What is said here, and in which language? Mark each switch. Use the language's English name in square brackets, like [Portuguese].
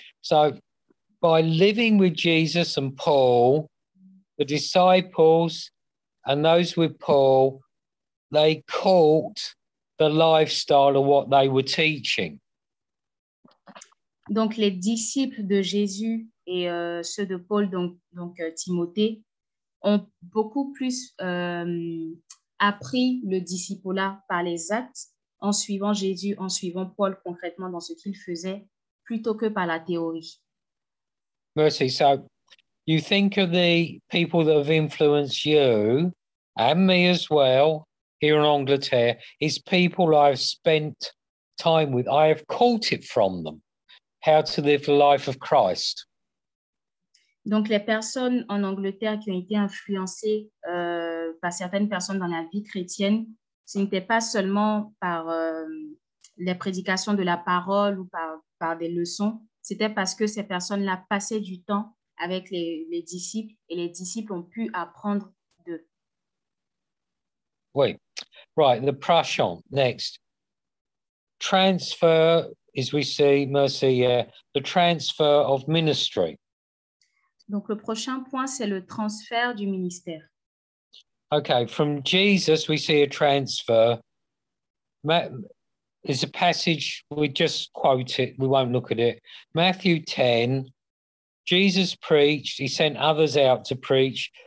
[English] So by living with Jesus and Paul, the disciples and those with Paul, they caught the lifestyle of what they were teaching. [French] Donc, les disciples de Jésus et ceux de Paul, donc Timothée, ont beaucoup plus appris le discipleship par les actes, en suivant Jésus, en suivant Paul concrètement dans ce qu'il faisait, plutôt que par la théorie. Merci. [English] So, you think of the people that have influenced you, and me as well, here in Angleterre, is people I've spent time with. I have caught it from them. How to live the life of Christ. [French] Donc, les personnes en Angleterre qui ont été influencées par certaines personnes dans la vie chrétienne, ce n'était pas seulement par les prédications de la parole ou par des leçons, c'était parce que ces personnes-là passaient du temps avec les disciples et les disciples ont pu apprendre d'eux. [English] Oui. Right, the Prussian, next. Transfer... As we see, mercy, the transfer of ministry. [French] Donc, le prochain point, c'est le transfert du ministère. [English] Okay, from Jesus, we see a transfer. It's a passage, we just quote it, we won't look at it. Matthew 10, Jesus preached, he sent others out to preach.